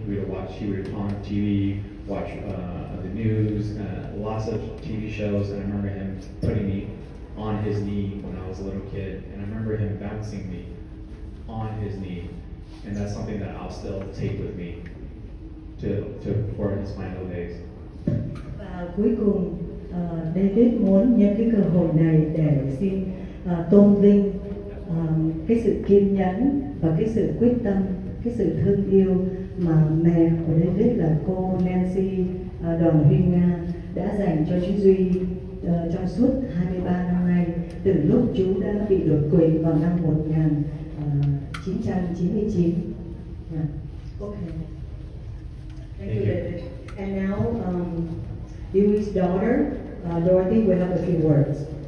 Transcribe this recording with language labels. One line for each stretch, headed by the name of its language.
English: We would watch, he would on TV, watch the news, lots of TV shows. And I remember him putting me on his knee when I was a little kid. And I remember him bouncing me on his knee. And that's something that I'll still take with me to for his final days.
Vietnamese: Và cuối cùng, David muốn nhân cái cơ hội này để xin tôn vinh cái sự kiên nhẫn và cái sự quyết tâm, cái sự thương yêu mà mẹ của David là cô Nancy Đoàn Huy Nga đã dành cho chú Duy trong suốt 23 năm nay, từ lúc chú đã bị đột quỵ vào năm 1999.
English: Yeah. Okay. Thank you, David. And now, Dewey's daughter, Dorothy, will have a few words.